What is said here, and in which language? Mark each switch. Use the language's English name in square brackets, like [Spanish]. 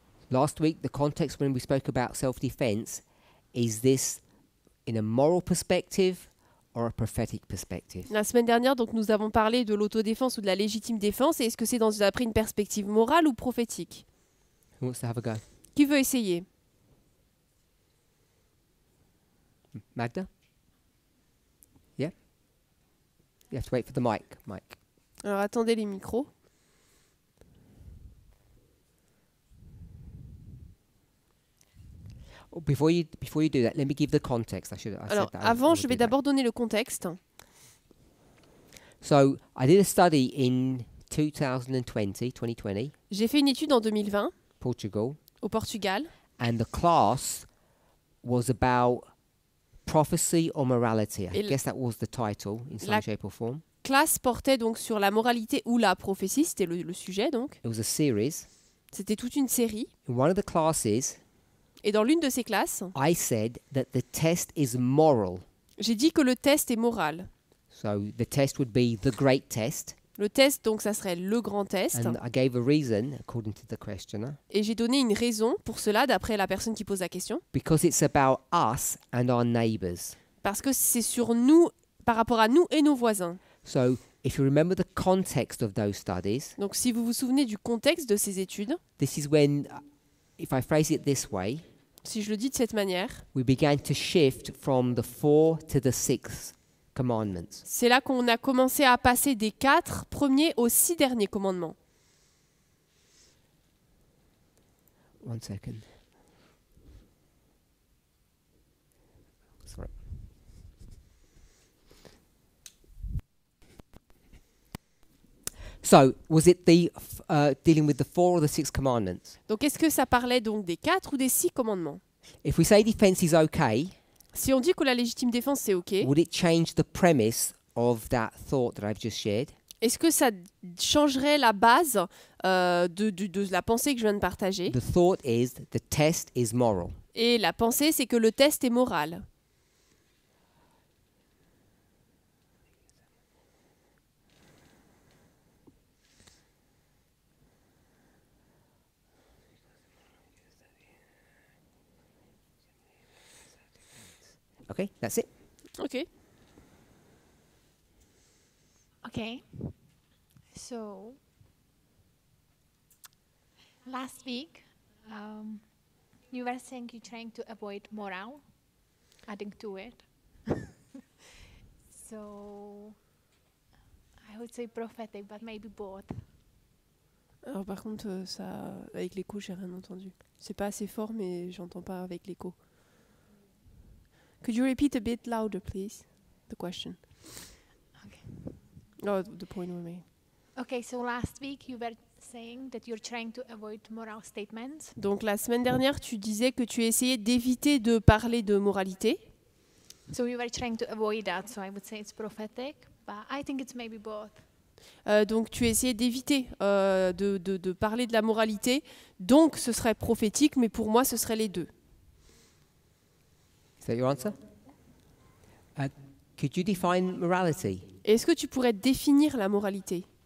[English] Last week, the context when we spoke about self-defense, is this in a moral perspective or a prophetic perspective? [French] La semaine dernière, donc, nous avons parlé de l'autodéfense ou de la légitime défense. Et est-ce que c'est dans une perspective morale ou prophétique? [English] Who wants to have a go? [French] Qui veut essayer? [English] Magda? Yeah? You have to wait for the mic, Mike. [French] Alors, attendez les micros. [English] Before you do that, let me give the context. [French] Avant, je vais d'abord donner le contexte. [English] So, I did a study in 2020. [French] J'ai fait une étude en 2020. [English] Portugal. [French] Au Portugal. [English] And the class was about prophecy or morality. I guess that was the title in some shape or form. [French] La classe portait donc sur la moralité ou la prophétie. C'était le sujet donc. [English] It was a series. [French] C'était toute une série. [English] In one of the classes. [French] Et dans l'une de ces classes, [English] I said that the test is moral. [French] J'ai dit que le test est moral. [English] So the test would be the great test. [French] Le test, donc, ça serait le grand test. [English] And I gave a reason, according to the questioner. [French] Et j'ai donné une raison pour cela, d'après la personne qui pose la question. [English] Because it's about us and our neighbors. [French] Parce que c'est sur nous, par rapport à nous et nos voisins. [English] So if you remember the context of those studies, [French] donc, si vous vous souvenez du contexte de ces études, [English] this is when, if I phrase it this way, [French] si je le dis de cette manière, [English] we began to shift from the four to the six commandments. [French] C'est là qu'on a commencé à passer des quatre premiers aux six derniers commandements. [English] One second. Sorry. So, was it the dealing with the four or the six commandments? [French] Donc, est-ce que ça parlait donc des quatre ou des six commandements? [English] If we say defense is okay, [French] si on dit que la légitime défense c'est okay, [English] would it change the premise of that thought that I've just shared? [French] Est-ce que ça changerait la base de la pensée que je viens de partager? [English] The thought is the test is moral. [French] Et la pensée c'est que le test est moral. [English] Okay, that's it. Okay. Okay. So, last week, You were saying you're trying to avoid morale, adding to it. So, I would say prophetic, but maybe both. [French] Alors par contre, ça, avec l'écho, j'ai rien entendu. C'est pas assez fort, mais j'entends pas avec l'écho. [English] Could you repeat a bit louder, please, the question? Okay. Oh, the point we made. Okay, so last week you were saying that you're trying to avoid moral statements. [French] Donc la semaine dernière, tu disais que tu essayais d'éviter de parler de moralité. [English] So you were trying to avoid that, so I would say it's prophetic, but I think it's maybe both. [French] Donc tu essayais d'éviter de parler de la moralité, donc ce serait prophétique, mais pour moi ce serait les deux. [English] Is that your answer? Could you define morality? [French] Est-ce que tu pourrais définir la moralité?